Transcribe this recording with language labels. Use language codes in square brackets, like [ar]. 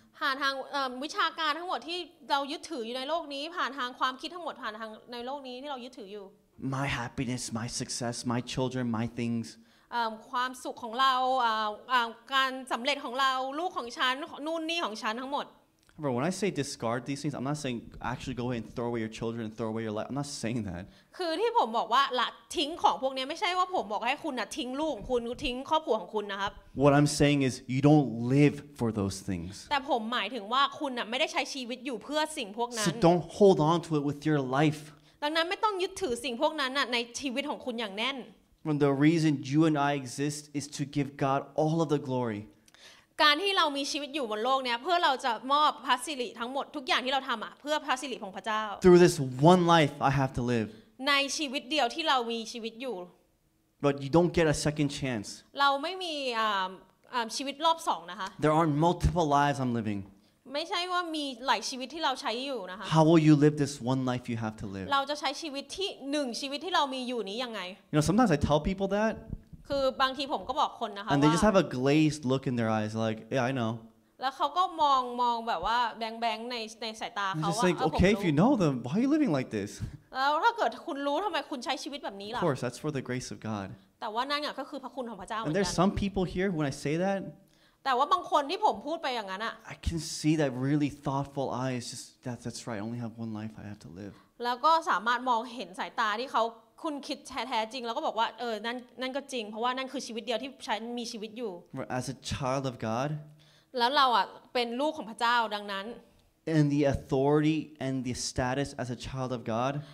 [th] ผ่านทางวิชาการทั้งหมดที่เรายึดถืออยู่ในโลกนี้ผ่านทางความคิดทั้งหมดผ่านทางในโลกนี้ที่เรายึดถืออยู่ [en] My happiness, my success, my children, my things. [th] ความสุขของเราการสำเร็จของเราลูกของฉันนู่นนี่ของฉันทั้งหมด [en] But when I say discard these things, I'm not saying actually go ahead and throw away your children and throw away your life. I'm not saying that. [th] คือที่ผมบอกว่าละทิ้งของพวกนี้ไม่ใช่ว่าผมบอกให้คุณทิ้งลูกของคุณทิ้งครอบครัวของคุณนะครับ [en] What I'm saying is you don't live for those things. [th] แต่ผมหมายถึงว่าคุณไม่ได้ใช้ชีวิตอยู่เพื่อสิ่งพวกนั้น [en] So don't hold on to it with your life. [th] ดังนั้นไม่ต้องยึดถือสิ่งพวกนั้นในชีวิตของคุณอย่างแน่น [en] And the reason you and I exist is to give God all of the glory. [th] การที่เรามีชีวิตอยู่บนโลกเนี้ยเพื่อเราจะมอบพระสิริทั้งหมดทุกอย่างที่เราทําอ่ะเพื่อพระสิริของพระเจ้า [en] Through this one life I have to live. [th] ในชีวิตเดียวที่เรามีชีวิตอยู่ [en] But you don't get a second chance. [th] เราไม่มีชีวิตรอบ2นะคะ [en] There aren't multiple lives I'm living. [th] ไม่ใช่ว่ามีหลายชีวิตที่เราใช้อยู่นะคะ [en] How will you live this one life you have to live [th] เราจะใช้ชีวิตที่1ชีวิตที่เรามีอยู่นี้ยังไง [en] You know sometimes I tell people that [th] คือบางทีผมก็บอกคนนะคะ [en] And they just have a glazed look in their eyes like yeah I know [th] แล้วเขาก็มองแบบว่าแบงๆในสายตาเขาว่า [en] just like okay if you know them why are you living like this [th] แล้วถ้าเกิดคุณรู้ทำไมคุณใช้ชีวิตแบบนี้ล่ะ [en] Of course that's for the grace of God [th] แต่ว่านั่นอ่ะก็คือพระคุณของพระเจ้า [en] And there's some people here when I say that [th] แต่ว่าบางคนที่ผมพูดไปอย่างนั้นอ่ะ [en] I can see that really thoughtful eyes just that's right I only have one life I have to live [th] แล้วก็สามารถมองเห็นสายตาที่เขาคุณคิดแท้ๆจริงแล้วก็บอกว่าเออนั่นก็จริงเพราะว่านั่นคือชีวิตเดียวที่ฉันมีชีวิตอยู่ [en] As a child of God [th] แล้วเราอ่ะเป็นลูกของพระเจ้าดังนั้น [en] And the authority and the status as a child of God